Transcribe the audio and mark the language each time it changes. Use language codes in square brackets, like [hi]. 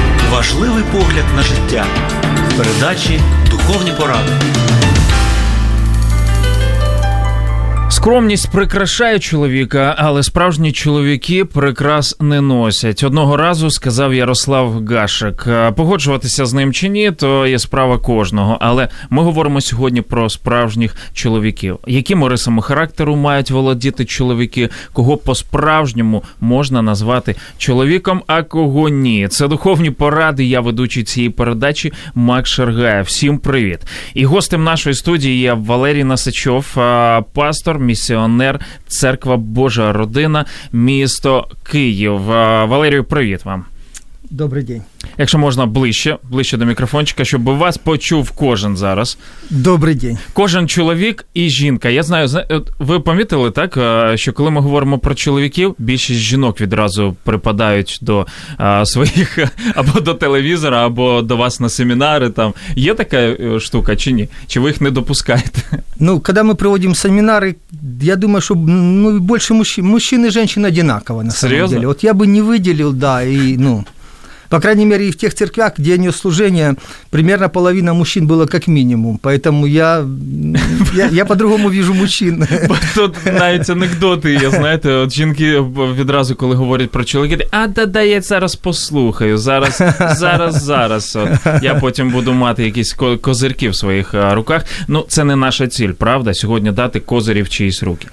[uk] Важливий погляд на життя. Передачі «Духовні поради». Скромність прикрашає чоловіка, але справжні чоловіки прикрас не носять. Одного разу сказав Ярослав Гашек. Погоджуватися з ним чи ні, то є справа кожного. Але ми говоримо сьогодні про справжніх чоловіків. Якими рисами характеру мають володіти чоловіки? Кого по-справжньому можна назвати чоловіком, а кого ні? Це духовні поради. Я ведучий цієї передачі Макс Шергаєв. Всім привіт! І гостем нашої студії є Валерій Насичов, пастор, місіонер Церква Божа Родина, місто Київ. Валерію, привіт вам. Добрий день. Якщо можна, ближче до мікрофончика, щоб вас почув кожен зараз. Добрий день. Кожен чоловік і жінка. Я знаю, ви помітили, так, що коли ми говоримо про чоловіків, більшість жінок відразу припадають до своїх, або до телевізора, або до вас на семінари. Там. Є така штука чи ні? Чи ви їх не допускаєте? Ну, коли ми проводимо семінари, я думаю, що більше мужчин і жінок однаково, [ru] на самом деле. [uk] От я би не виділив, да, і, ну... [ru] По крайней мере, и в тех церквях, где я нес служение, примерно половина мужчин было как минимум. Поэтому я по-другому вижу мужчин. [uk] Тут навіть анекдоти є, знаєте, от жінки відразу, коли говорять про чоловіків, да-да, я зараз послухаю, зараз. От, я потім буду мати якісь козирки в своїх руках. Ну, це не наша ціль, правда? Сьогодні дати козирів чиїсь руки.